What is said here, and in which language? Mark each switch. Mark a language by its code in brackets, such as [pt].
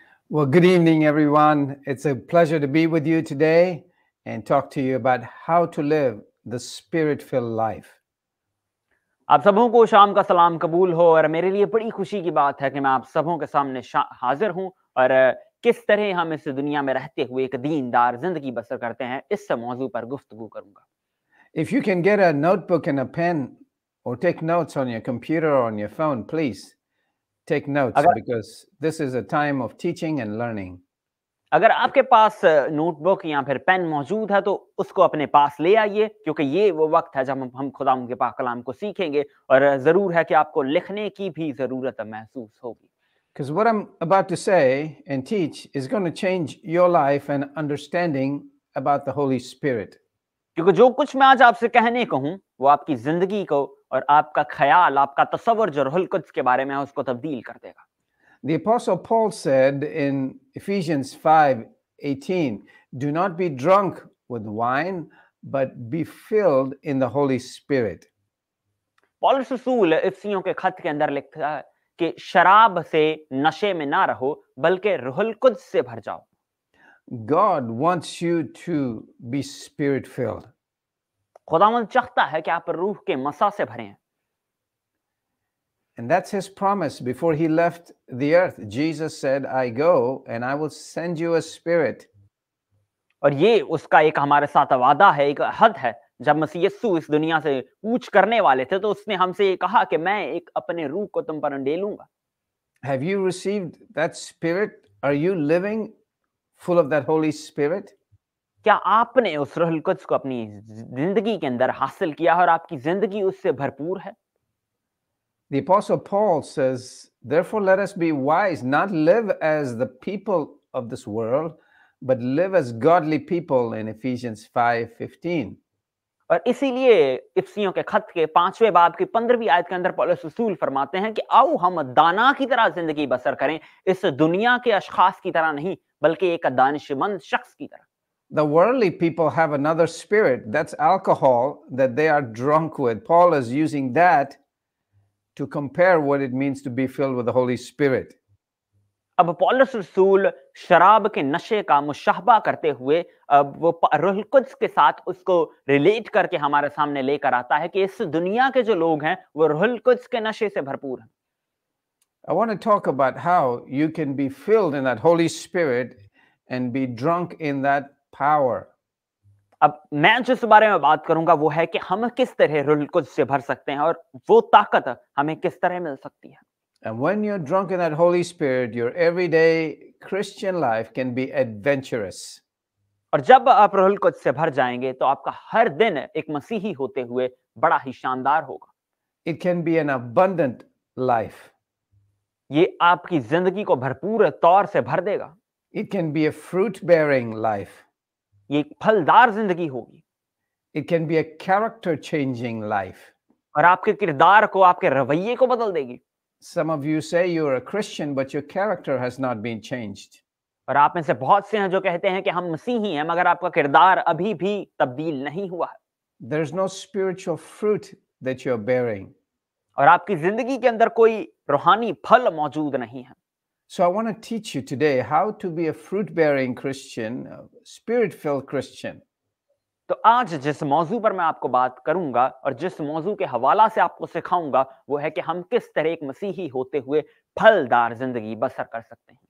[en] Well, good evening, everyone. It's a pleasure to be with you today and talk to you about how to live the Spirit-filled life. [ur] آپ سبوں کو شام کا سلام قبول ہو، اور میرے لیے بڑی خوشی کی بات ہے کہ میں آپ سبوں کے سامنے حاضر ہوں اور کس طرح ہم اس دنیا میں رہتے ہوئے ایک دیندار زندگی بسر کرتے ہیں اس موضوع پر گفتگو کروں گا۔ [en] If you can get a notebook and a pen or take notes on your computer or on your phone, please take notes because this is a time of teaching and learning. [ur] اگر آپ کے پاس note book یا پھر pain موجود ہے تو اس کو اپنے پاس لے آئیے، کیونکہ یہ وہ وقت ہے جب ہم خدا کے پاک کلام کو سیکھیں گے اور ضرور ہے کہ آپ کو لکھنے کی بھی ضرورت محسوس ہوگی۔ [en] Because what I'm about to say and teach is going to change your life and understanding about the Holy Spirit. [ur] کیونکہ جو کچھ میں آج آپ سے کہنے کو ہوں وہ آپ کی زندگی کو اور آپ کا خیال، آپ کا تصور جو روح القدس کے بارے میں ہے اس کو تبدیل کر دے گا۔ [en] The Apostle Paul said in Ephesians 5:18, Do not be drunk with wine, but be filled in the Holy Spirit. [ur] Paul رسول افسیوں کے خط کے اندر لکھتا ہے کہ شراب سے نشے میں نہ رہو بلکہ روح القدس سے بھر جاؤ۔ [en] God wants you to be Spirit-filled. [ur] خداوند چاہتا ہے کہ آپ روح کے مسا سے بھریں۔ [en] And that's his promise before he left the earth. Jesus said, I go and I will send you a spirit. [ur] اور یہ اس کا ایک ہمارے ساتھ وعدہ ہے، ایک عہد ہے۔ جب مسیح یسوع اس دنیا سے کوچ کرنے والے تھے تو اس نے ہم سے یہ کہا کہ میں ایک اپنے روح کو تم پر انڈیلوں گا۔ [en] Have you received that spirit? Are you living full of that Holy Spirit? [ur] کیا آپ نے اس روح القدس کو اپنی زندگی کے اندر حاصل کیا اور آپ کی زندگی اس سے بھرپور ہے؟ [en] The Apostle Paul says, Therefore let us be wise, not live as the people of this world, but live as godly people in Ephesians 5:15. [ur] اور اسی لیے افسیوں کے خط کے پانچویں باب کی پندرہویں آیت کے اندر پولس رسول فرماتے ہیں کہ آؤ ہم دانا کی طرح زندگی بسر کریں، اس دنیا کے اشخاص کی طرح نہیں بلکہ ایک دانش مند شخص کی طرح۔ [en] The worldly people have another spirit, that's alcohol, that they are drunk with. Paul is using that to compare what it means to be filled with the Holy Spirit. [ur] اب پولس رسول شراب کے نشے کا مشابہ کرتے ہوئے اب وہ روح القدس کے ساتھ اس کو ریلیٹ کر کے ہمارے سامنے لے کر آتا ہے کہ اس دنیا کے جو لوگ ہیں وہ روح القدس کے نشے سے بھرپور ہیں۔ [en] I want to talk about how you can be filled in that Holy Spirit and be drunk in that power. [ur] اب میں جس بارے میں بات کروں گا وہ ہے کہ ہم کس طرح روح القدس سے بھر سکتے ہیں اور وہ طاقت ہمیں کس طرح مل سکتی ہے۔ [en] And when you're drunk in that Holy Spirit, your everyday Christian life can be adventurous. [ur] اور جب آپ روح القدس سے بھر جائیں گے تو آپ کا ہر دن ایک مسیحی ہوتے ہوئے بڑا ہی شاندار ہوگا۔ [en] It can be an abundant life. [ur] یہ آپ کی زندگی کو بھرپور طور سے بھر دے گا۔ [en] It can be a fruit-bearing life. [ur] یہ ایک پھلدار زندگی ہوگی۔ [en] It can be a character changing life. [ur] اور آپ کے کردار کو، آپ کے رویے کو بدل دے گی۔ [en] Some of you say you are a Christian but your character has not been changed. [ur] اور آپ میں سے بہت سے ہیں جو کہتے ہیں کہ ہم مسیحی ہیں مگر آپ کا کردار ابھی بھی تبدیل نہیں ہوا ہے۔ [en] There is no spiritual fruit that you are bearing. [ur] اور آپ کی زندگی کے اندر کوئی روحانی پھل موجود نہیں ہے۔ [en] So I want to teach you today how to be a fruit-bearing Christian, a spirit-filled Christian. [ur] تو آج جس موضوع پر میں آپ کو بات کروں گا اور جس موضوع کے حوالہ سے آپ کو سکھاؤں گا وہ ہے کہ ہم کس طرح ایک مسیحی ہوتے ہوئے پھلدار زندگی بسر کر سکتے ہیں.